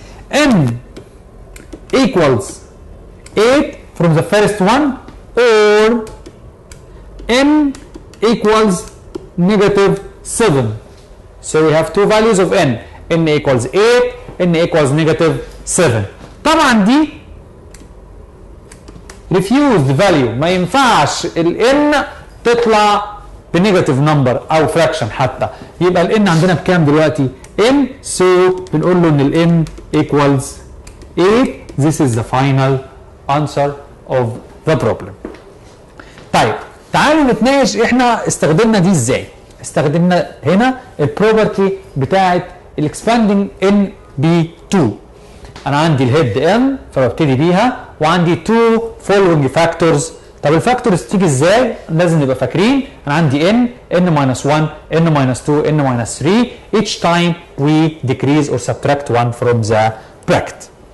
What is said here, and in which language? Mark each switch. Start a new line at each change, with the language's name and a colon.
English: N equals 8 from the first one, or N equals negative 7. So we have two values of N. N equals 8, N equals negative 7.
Arabic: طبعا دي
English: refused value،
Arabic: ما ينفعش ال N تطلع بنيجاتيف نمبر او فراكشن حتى. يبقى ال N عندنا بكام دلوقتي؟ N. So بنقول له ان ال N equals 8.
English: This is the final answer of the problem.
Arabic: طيب تعالوا نتناقش احنا استخدمنا دي ازاي. استخدمنا هنا البروبرتي بتاعت الاكسباندنج ان بي 2. انا عندي الهيد ام فببتدي بيها، وعندي 2 فولوينج فاكتورز. طب الفاكتورز تيجي ازاي؟ لازم نبقى فاكرين انا عندي ان، ان ماينس 1، ان ماينس 2، ان ماينس 3،
English: each time we decrease or subtract 1 from the bracket.